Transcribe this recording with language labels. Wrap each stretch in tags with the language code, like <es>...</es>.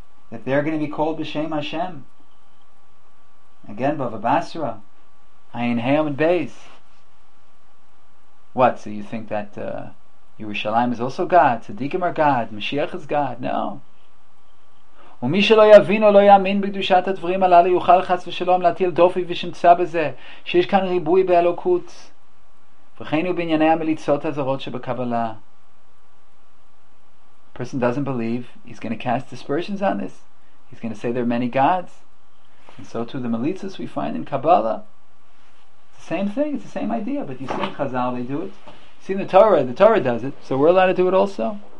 <en>That they're going to be called B'Shem Hashem. Again, Bava Basra, Ayin Heyom and Beis. What, so you think that Yerushalayim is also God, Tzadikim are God, Mashiach is God? No.</en> <he>ומי שלא יבין או לא יאמין בקדושת הדברים הללו יוכל חס ושלום להטיל דופי ושמצא בזה שיש כאן ריבוי באלוקות וכן הוא בענייני המליצות הזרות שבקבלה.</he> <en>Person doesn't believe, he's going to cast dispersions on this, he's going to say there are many gods, and so too the melitzos we find in Kabbalah. It's the same thing, it's the same idea, but you see in Chazal they do it, you see in the Torah does it, so we're allowed to do it also.</en>